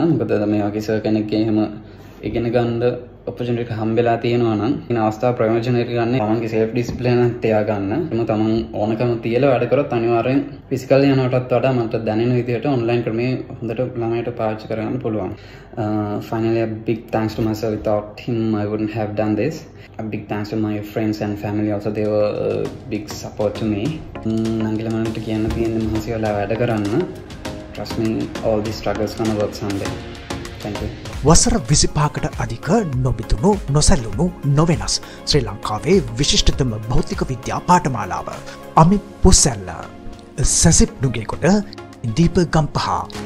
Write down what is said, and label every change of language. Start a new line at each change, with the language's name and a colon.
Sinhala: මොකද මේ වගේ සර් කෙනෙක්ගේ එහෙම ඉගෙන ගන්න ඔපර්චුනිටි එක හම්බෙලා තියෙනවා නම් ඉන අවස්ථාව ප්‍රයෝජනෙට ගන්න තමන්ගේ සෙල්ෆ් ඩිසිප්ලින් එක තියා ගන්න. එතම තමන් ඕනකම තියලා වැඩ කරොත් අනිවාර්යෙන් ෆිසිකල් යනවටත් වඩා මන්ට දැනෙන විදිහට ඔන්ලයින් ක්‍රමේ හොඳට ළමයට පාවිච්චි කරගන්න පුළුවන්.
English: Finally a big thanks to myself. Without him I wouldn't have done this. A big thanks to my friends and family also. They were a big support to me.
Sinhala: නංගිල මන්ට කියන්න තියෙන්නේ මහන්සි වෙලා වැඩ කරන්න.
English: Trust me, all these struggles gonna work someday.
Sinhala: වසර 25කට අධික නොබිතුණු නොසැලුණු නොවෙනස් ශ්‍රී ලංකාවේ විශිෂ්ටතම භෞතික විද්‍යා පාඨමාලාව අමි පුසැල්ල සැසිප් නුගේකොට දීප ගම්පහා